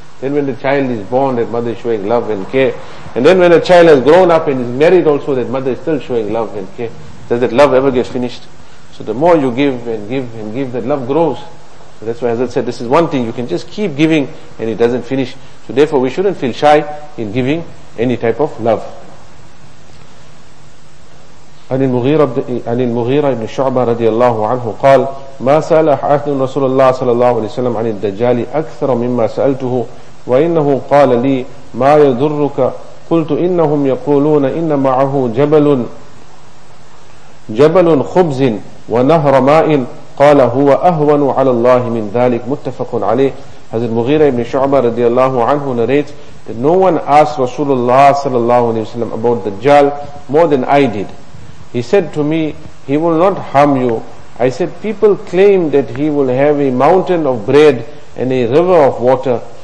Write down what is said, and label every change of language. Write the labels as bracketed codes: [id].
[en] Then when the child is born, that mother is showing love and care. And then when the child has grown up and is married also, that mother is still showing love and care. Does that love ever get finished? So the more you give and give and give, that love grows. So that's why Hazrat said, this is one thing, you can just keep giving and it doesn't finish. So therefore we shouldn't feel shy in giving any type of love. [ar] عن المغيرة بن شعبة رضي الله عنه قال ما سأل أحد رسول الله صلى الله عليه وسلم عن الدجال أكثر مما سألته وإنه قال لي ما يضرك قلت إنهم يقولون إن معه جبل خبز ونهر ماء قال هو أهون على الله من ذلك متفق عليه. [en] هذا المغيرة بن شعبة رضي الله عنه narrates that no one asked Rasulullah صلى الله عليه وسلم about Dajjal more than I did. He said to me, he will not harm you. I said, people claim that he will have a mountain of bread and a river of water.